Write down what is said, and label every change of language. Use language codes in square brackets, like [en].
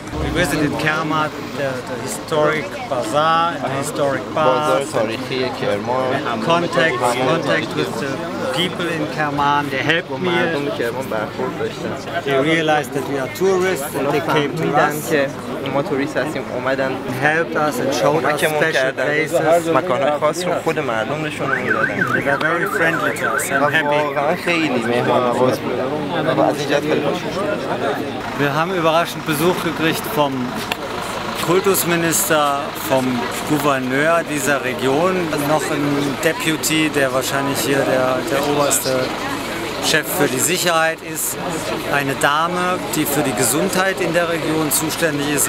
[en] We visited Kermat, the historic bazaar and the historic park. Contact with the people in Kerman, they helped me. They realized that we are tourists and they came to us. [fa] ما توریست هستیم اومدن [en] helped us and showed us special places [fa] مکانهای خاص رو خود مردم نشون میدادن [en] they were very friendly to us and happy [fa] خیلی مهمان نواز بودن و از اینجا خیلی خوشحال [de] wir haben überraschend Besuch gekriegt vom Kultusminister, vom Gouverneur dieser Region, noch ein Deputy, der wahrscheinlich hier der oberste Chef für die Sicherheit ist, eine Dame, die für die Gesundheit in der Region zuständig ist.